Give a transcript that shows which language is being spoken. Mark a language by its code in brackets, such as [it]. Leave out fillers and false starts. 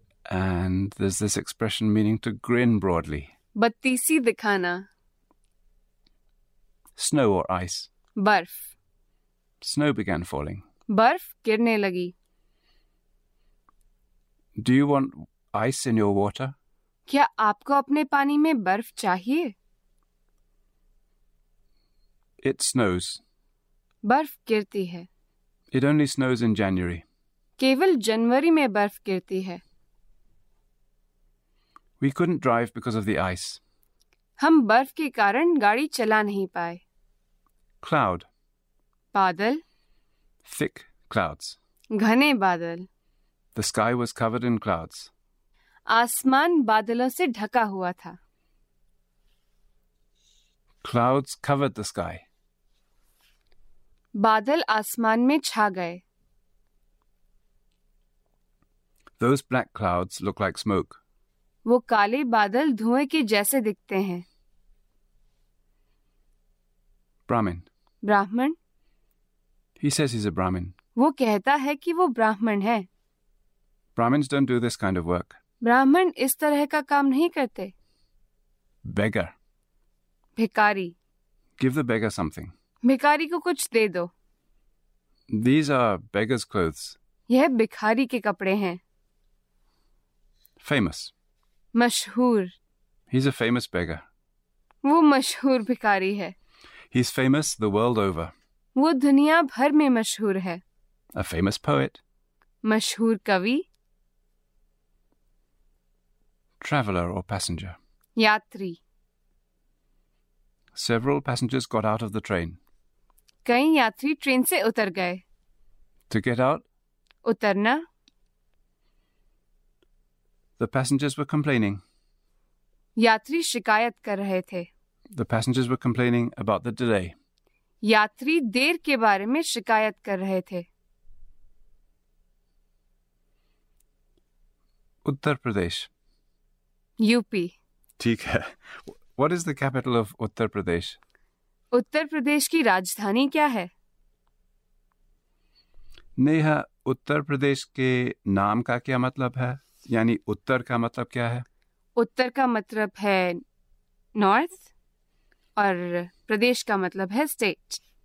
[en] And there's this expression meaning to grin broadly. [hi] 32 दिखाना. [en] Snow or ice. [hi] बर्फ. [en] Snow began falling. [hi] बर्फ गिरने लगी. [en] Do you want ice in your water? [hi] क्या आपको अपने पानी में बर्फ चाहिए? [en] It snows. [hi] बर्फ गिरती है. [en] It only snows in January. [hi] केवल जनवरी में बर्फ गिरती है. [en] We couldn't drive because of the ice. [hi] हम बर्फ के कारण गाड़ी चला नहीं पाए. [en] Cloud. [hi] बादल. [en] Thick clouds. [hi] घने बादल. [en] The sky was covered in clouds. [hi] आसमान बादलों से ढका हुआ था. [en] Clouds covered the sky. [hi] बादल आसमान में छा गए. [en] Those black clouds look like smoke. [hi] वो काले बादल धुएं के जैसे दिखते हैं. [en] Brahmin. [hi] ब्राह्मण. [en] He says he's a Brahmin. [hi] वो कहता है कि वो ब्राह्मण है. [en] Brahmins don't do this kind of work. [hi] ब्राह्मण इस तरह का काम नहीं करते. [en] Beggar. [hi] भिखारी. [en] Give the beggar something. [hi] भिखारी को कुछ दे दो. [en] These are beggar's clothes. [hi] यह भिखारी के कपड़े हैं. [en] Famous. [hi] मशहूर. [en] He's a famous beggar. [hi] वो मशहूर भिखारी है. [en] He's famous the world over. [hi] वो दुनिया भर में मशहूर है. [en] A famous poet. [hi] मशहूर कवि. [en] Traveler or passenger. [hi] यात्री. [en] Several passengers got out of the train. [hi] कई यात्री ट्रेन से उतर गए. [en] To get out. [hi] उतरना. [en] The passengers were complaining. [hi] यात्री शिकायत कर रहे थे. [en] The passengers were complaining about the delay. [hi] यात्री देर के बारे में शिकायत कर रहे थे. उत्तर प्रदेश. यूपी. ठीक है. [en] What is the capital of Uttar Pradesh? [hi] Uttar Pradesh की राजधानी क्या है? नेहा, उत्तर प्रदेश के नाम का क्या मतलब है? यानी उत्तर का मतलब क्या है? उत्तर का मतलब है नॉर्थ और प्रदेश का मतलब है स्टेट.